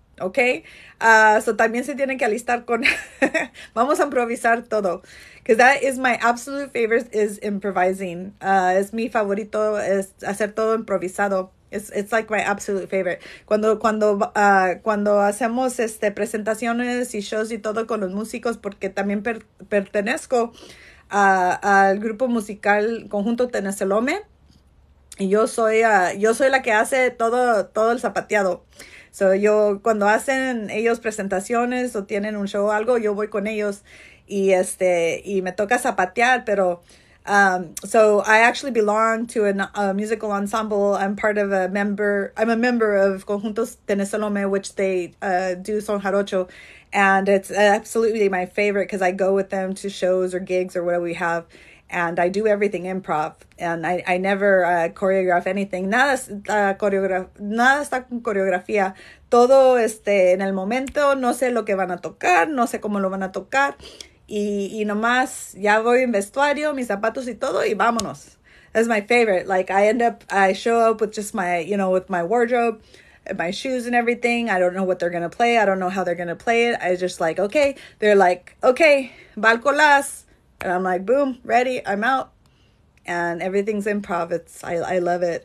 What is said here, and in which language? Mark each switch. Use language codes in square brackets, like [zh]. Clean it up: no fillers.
[es] Okay, so también se tiene que alistar con. Vamos a improvisar todo. [en] Because that is my absolute favorite is improvising. [es] Es mi favorito es hacer todo improvisado. [en] It's like my absolute favorite. [es] Cuando hacemos presentaciones y shows y todo con los músicos, porque también pertenezco al grupo musical Conjunto Tenecelome. Y yo soy la que hace todo el zapateado. So yo cuando hacen ellos presentaciones o tienen un show o algo, yo voy con ellos y me toca zapatear, pero [en] so I actually belong to a musical ensemble. I'm a member of Conjuntos Tenesolome, which they do Son Jarocho, and it's absolutely my favorite because I go with them to shows or gigs or whatever we have. And I do everything improv, and I never choreograph anything. [es] Nada está con coreografía. Todo en el momento. No sé lo que van a tocar, no sé cómo lo van a tocar. Y nomás ya voy en vestuario, mis zapatos y todo, y vámonos. [en] That's my favorite. Like I show up with just my, with my wardrobe, my shoes and everything. I don't know what they're gonna play. I don't know how they're gonna play it. I just like, okay. They're like, okay, Valcolás. And I'm like, boom, ready, I'm out. And everything's improv. I love it.